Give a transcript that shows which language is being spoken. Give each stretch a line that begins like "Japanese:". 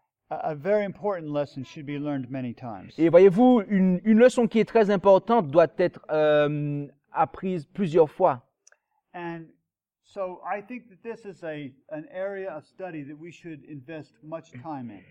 English: A very important lesson should be learned many times.
French: Et voyez-vous, une leçon qui est très importante doit être apprise plusieurs fois.
English: And so I think that this is an area of study that we should invest much time in.